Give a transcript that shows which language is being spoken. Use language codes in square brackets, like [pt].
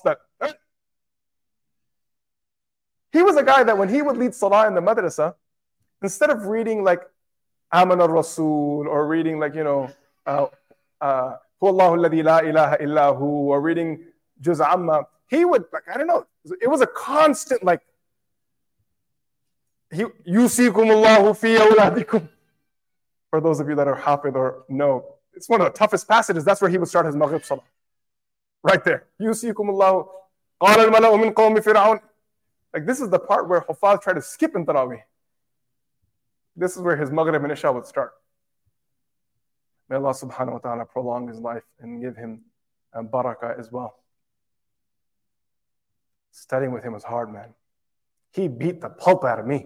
[en] That he was a guy that when he would lead salah in the madrasa, instead of reading like Aman al-Rasul or reading like, you know, Hu Allahu alladhi la ilaha illa hu, or reading Juz Amma, he would, like, I don't know, it was a constant like, Yusikum Allahu fi awladikum. For those of you that are hafid or know, it's one of the toughest passages. That's where he would start his Maghrib Salah. Right there. [ar] يوصيكم الله قال الملأ من قوم فرعون. [en] Like this is the part where Huffaz tried to skip in Tarawih. This is where his Maghrib and Isha would start. May Allah subhanahu wa ta'ala prolong his life and give him barakah as well. Studying with him was hard, man. He beat the pulp out of me.